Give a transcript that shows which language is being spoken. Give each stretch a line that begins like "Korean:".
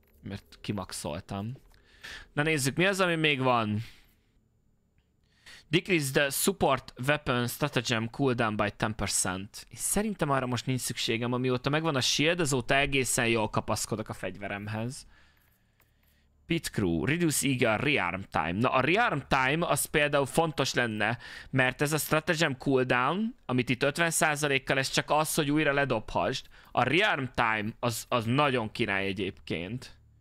Hungarian: Mert kimaxoltam. Na nézzük, mi az, ami még van?
English: Decrease the support weapon stratagem cooldown by 10%.
Hungarian: És szerintem arra most nincs szükségem, amióta megvan a shield, azóta egészen jól kapaszkodok a fegyveremhez.
English: Pit crew, reduce eager rearm time.
Hungarian: Na a rearm time az például fontos lenne, mert ez a stratagem cooldown, amit itt 50%-kal, ez csak az, hogy újra ledobhasd. A rearm time az nagyon király egyébként.